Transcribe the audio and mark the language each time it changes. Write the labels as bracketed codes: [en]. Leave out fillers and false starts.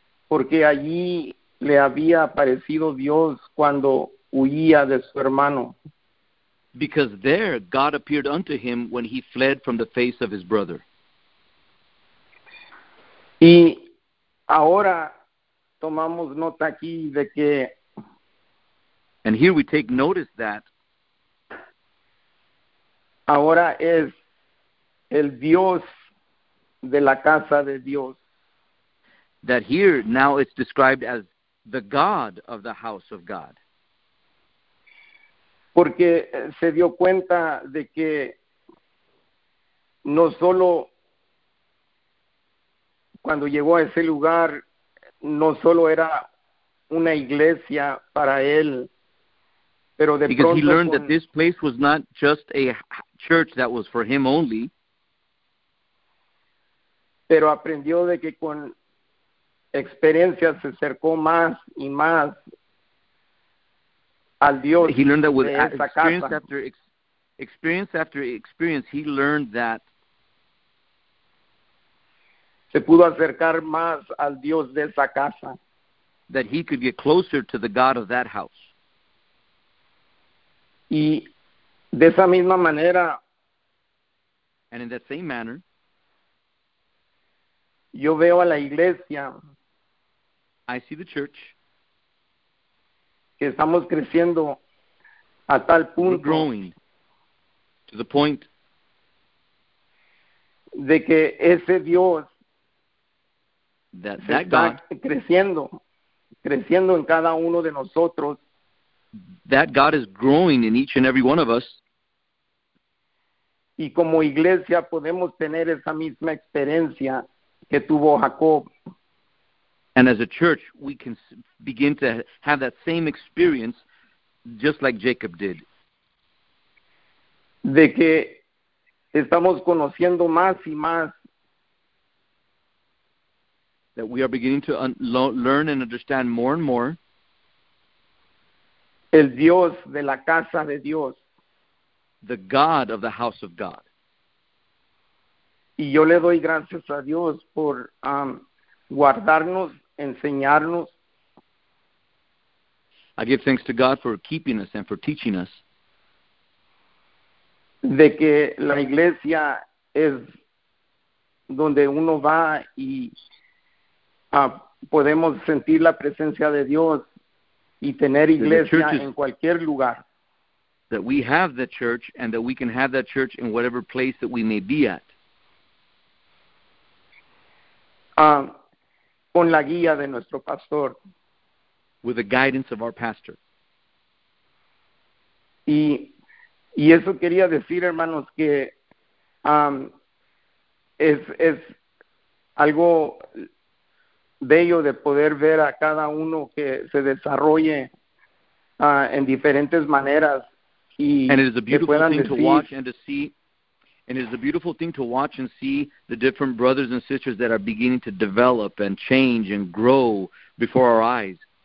[es] Porque allí le había aparecido Dios cuando huía de su hermano. [en] Because there God appeared unto him when he fled from the face of his brother. [es] Y ahora tomamos nota aquí de que, [en] and here we take notice that [es] ahora es el Dios de la casa de Dios. [en] That here now it's described as the God of the house of God. [es] Porque se dio cuenta de que no solo cuando llegó a ese lugar, no solo era una iglesia para él, pero de [en] because [es] pronto [en] he learned that this place was not just a church that was for him only, [es] pero aprendió de que con experiencia se acercó más y más. [en] He learned that with experience after experience after experience, he learned that [es] se pudo acercar más al Dios de esa casa. [en] That he could get closer to the God of that house. [es] Y de esa misma manera, [en] and in that same manner, [es] yo veo a la iglesia. [en] I see the church. [es] Que estamos creciendo a tal punto. [en] We're growing to the point [es] de que ese Dios [en] that [es] se [en] God, [es] está creciendo en cada uno de nosotros. [en] That God is growing in each and every one of us. [es] Y como iglesia podemos tener esa misma experiencia que tuvo Jacob. [en] And as a church, we can begin to have that same experience, just like Jacob did. [es] De que estamos conociendo más y más. [en] That we are beginning to learn and understand more and more. [es] El Dios de la casa de Dios. [en] The God of the house of God. [es] Y yo le doy gracias a Dios por guardarnos, enseñarnos. [en] I give thanks to God for keeping us and for teaching us. [es] De que la iglesia es donde uno va y podemos sentir la presencia de Dios y tener iglesia en cualquier lugar. [en] That we have the church and that we can have that church in whatever place that we may be at. [es] Con la guía de nuestro pastor. [en] With the guidance of our pastor. [es] Y eso quería decir, hermanos, que es algo bello de poder ver a cada uno que se desarrolle en diferentes maneras. [en] And it is a beautiful thing to watch and to see. And it is a beautiful thing to watch and see the different brothers and sisters that are beginning to develop and change and grow before our eyes.